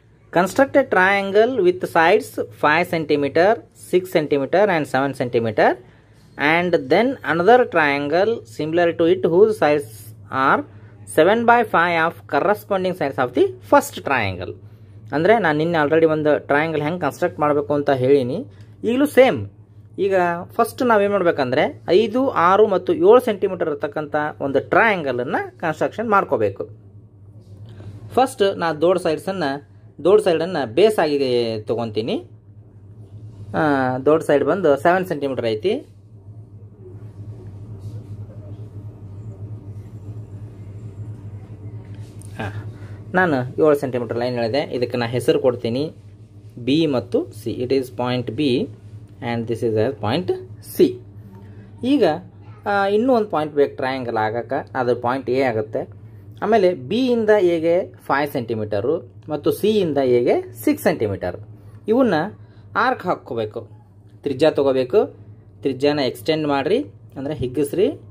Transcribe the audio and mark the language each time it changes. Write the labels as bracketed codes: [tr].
[en] Construct a triangle with sides 5 cm, 6 cm and 7 cm and then another triangle similar to it whose sides are 7 by 5 of corresponding sides of the first triangle. [kn] Andre na ninne already one triangle hang construct madbeku anta helini iglu same. ಈಗ first ನಾವೇನು ಮಾಡಬೇಕಂದ್ರೆ 5 6 ಮತ್ತು 7 centimetre ಇರತಕ್ಕಂಥ ಒಂದು triangle ಅನ್ನು construction ಮಾಡ್ಕೋಬೇಕು. First ನಾನು ದೋಡ್ ಸೈಡ್ಸನ್ನು ದೋಡ್ ಸೈಡನ್ನು base ಆಗಿದೆ ತೊಗೊತೀನಿ. ದೋಡ್ ಸೈಡ್ ಬಂದು 7 ಸೆಂಟಿಮೀಟರ್ ಐತಿ. ನಾನು 7 ಸೆಂಟಿಮೀಟರ್ ಲೈನ್ ಹೇಳಿದೆ. ಇದಕ್ಕೆ ನಾನು ಹೆಸರು ಕೊಡ್ತೀನಿ ಬಿ ಮತ್ತು C. [en] It is point B and this is a point C. [kn] ಈಗ ಇನ್ನೂ ಒಂದು ಪಾಯಿಂಟ್ ಬೇಕು ಟ್ರಯಾಂಗಲ್ ಆಗೋಕ್ಕೆ, ಅದು ಪಾಯಿಂಟ್ ಎ ಆಗುತ್ತೆ. ಆಮೇಲೆ ಬಿ ಇಂದ ಎಗೆ 5 ಸೆಂಟಿಮೀಟರು ಮತ್ತು ಸಿ ಇಂದ ಎಗೆ 6 ಸೆಂಟಿಮೀಟರ್. ಇವನ್ನ ಆರ್ಕ್ ಹಾಕ್ಕೋಬೇಕು, ತ್ರಿಜ್ಯ ತೊಗೋಬೇಕು. ತ್ರಿಜ್ಯನ ಎಕ್ಸ್ಟೆಂಡ್ ಮಾಡಿರಿ ಅಂದರೆ ಹಿಗ್ಗಿಸ್ರಿ.